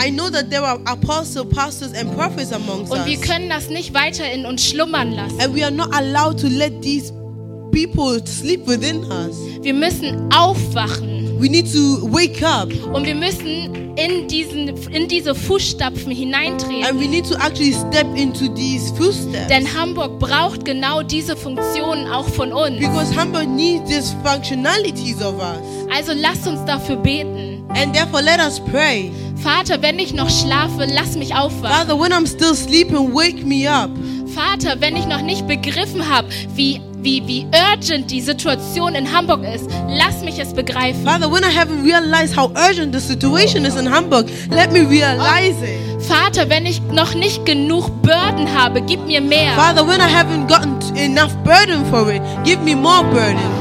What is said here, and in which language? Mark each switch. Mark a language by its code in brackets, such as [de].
[en] I know that there were apostles, pastors and prophets amongst us. [de] Und wir können das nicht weiter in uns schlummern lassen. [en] And we are not allowed to let these people sleep within us. [de] Wir müssen aufwachen. [en] We need to wake up. [de] Und wir müssen in diese Fußstapfen hineintreten. [en] And we need to actually step into these footsteps. [de] Denn Hamburg braucht genau diese Funktionen auch von uns. [en] Because Hamburg needs these functionalities of us. [de] Also lasst uns dafür beten. [en] And therefore let us pray. [de] Vater, wenn ich noch schlafe, lass mich aufwachen. [en] Father, when I'm still sleeping, wake me up. [de] Vater, wenn ich noch nicht begriffen habe, wie urgent die Situation in Hamburg ist, lass mich es begreifen. [en] Father, when I haven't realized how urgent the situation is in Hamburg, let me realize it. [de] Vater, wenn ich noch nicht genug Burden habe, gib mir mehr. [en] Father, when I haven't gotten enough burden for it, give me more burden.